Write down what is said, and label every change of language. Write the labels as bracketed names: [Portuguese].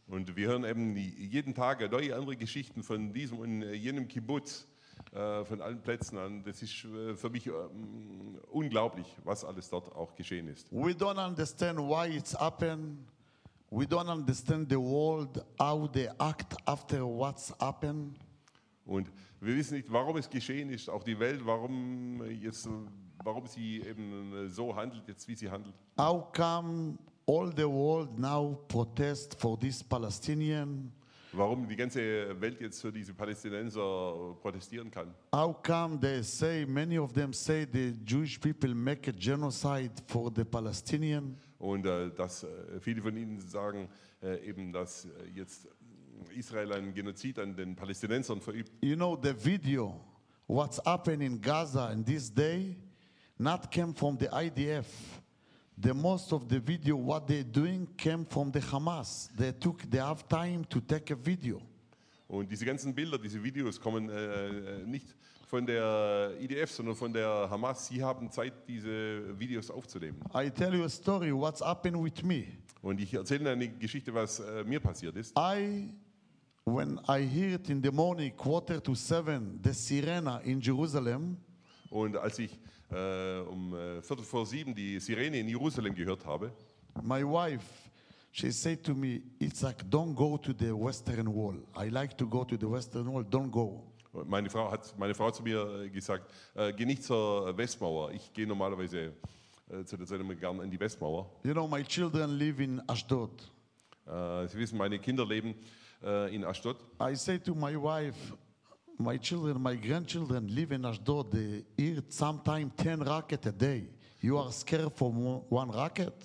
[German] Und wir hören eben jeden Tag neue andere Geschichten von diesem und jenem Kibbutz, von allen Plätzen an. Das ist für mich unglaublich, was alles dort auch geschehen ist. [English] We don't understand why it's happened. We don't understand the world, how they act after what's happened. [German] Und wir wissen nicht, warum es geschehen ist, auch die Welt, warum sie eben so handelt, jetzt wie sie handelt. [English] How come all the world now protest for this Palestinian? [German] Warum die ganze Welt jetzt für diese Palästinenser protestieren kann? [English] How come they say, many of them say, the Jewish people make a genocide for the Palestinian? [German] Und dass viele von ihnen sagen eben, dass jetzt Israel einen Genozid an den Palästinensern verübt. [English] You know, the video, what's happening in Gaza in this day, not came from the IDF. The most of the video, what they're doing, came from the Hamas. They have time to take a video. [German] Und diese ganzen Bilder, diese Videos kommen nicht von der IDF, sondern von der Hamas. Sie haben Zeit, diese Videos aufzunehmen. [English] I tell you a story, what's happened with me. [German] Und ich erzähle eine Geschichte, was mir passiert ist. [English] When I hear it in the morning, 6:45, the sirena in Jerusalem. [German] Und als ich viertel vor sieben die Sirene in Jerusalem gehört habe. [English] My wife, she said to me, Isaac, don't go to the Western Wall. I like to go to the Western Wall, don't go. [German] Meine Frau zu mir gesagt, geh nicht zur Westmauer. Ich gehe normalerweise zu der Zeit immer gern in die Westmauer. [English] You know, my children live in Ashdod. [German] Sie wissen, meine Kinder leben in Ashdod. [English] I say to my wife, my children, my grandchildren live in Ashdod. They hear sometimes 10 rockets a day. You are scared for one rocket?